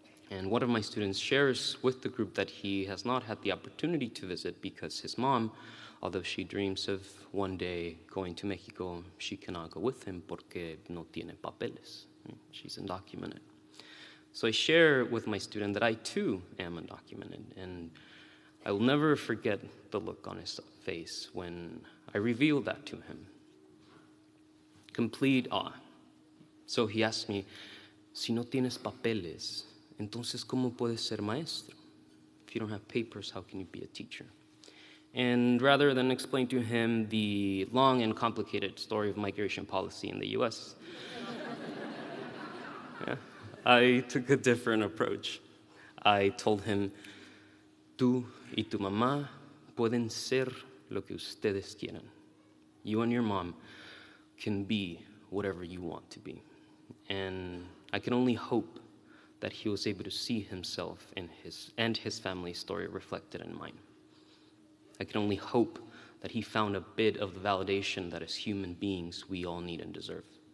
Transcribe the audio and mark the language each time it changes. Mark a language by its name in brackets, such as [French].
[English] And one of my students shares with the group that he has not had the opportunity to visit because his mom, although she dreams of one day going to Mexico, she cannot go with him porque no tiene papeles. She's undocumented. So I share with my student that I too am undocumented, and I will never forget the look on his face when I revealed that to him. Complete awe. [Spanish] So he asked me, si no tienes papeles, entonces cómo puedes ser maestro? [English] If you don't have papers, how can you be a teacher? And rather than explain to him the long and complicated story of migration policy in the U.S., I took a different approach. [Spanish] I told him, tú y tu mamá pueden ser lo que ustedes quieren. [English] You and your mom can be whatever you want to be. And I can only hope that he was able to see himself in his and his family story reflected in mine. I can only hope that he found a bit of the validation that as human beings we all need and deserve.